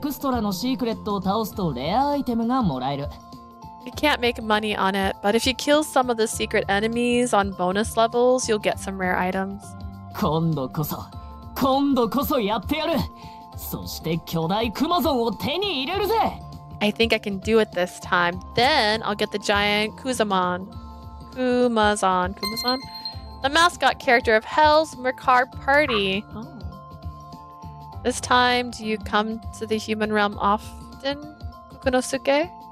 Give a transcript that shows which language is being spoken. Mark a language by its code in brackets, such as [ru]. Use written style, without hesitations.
[ja] 金銭賭博はないよ。ただエクストラのシークレットを倒すとレアアイテムがもらえる。 [en] You can't make money on it, but if you kill some of the secret enemies on bonus levels, you'll get some rare items. [ja] 今度こそやってやる。そして巨大クマゾンを手に入れるぜ! [en] I think I can do it this time. Then I'll get the giant Kuzumon. Kumazan. Kumazan? The mascot character of Hell's Makar Party. Oh. This time, do you come to the human realm often, Kukunosuke?